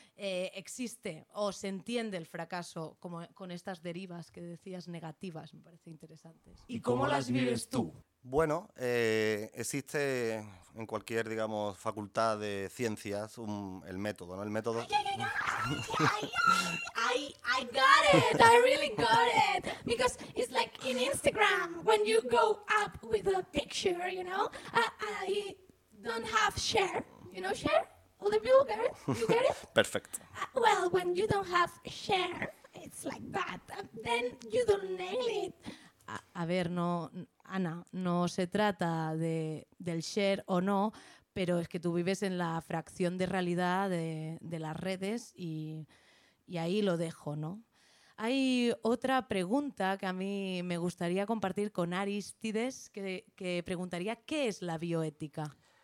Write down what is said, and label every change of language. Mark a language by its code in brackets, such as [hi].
[es] ¿Existe o se entiende el fracaso como con estas derivas que decías negativas? Me parece interesante. ¿Y cómo las vives tú? Bueno, existe en cualquier, digamos, facultad de ciencias el método, ¿no? El método. [en] I got it. I really got it. Because it's like in Instagram when you go up with a picture, you know? I don't have share. You know share? All the people get it? You get it? Perfect. Well, when you don't have share, it's like that. Then you don't nail it. [es] A ver, no, Ana, no se trata del share o no, pero es que tú vives en la fracción de realidad de las redes y ahí lo dejo, ¿no? Hay otra pregunta que a mí me gustaría compartir con Arístides, que preguntaría, ¿qué es la bioética?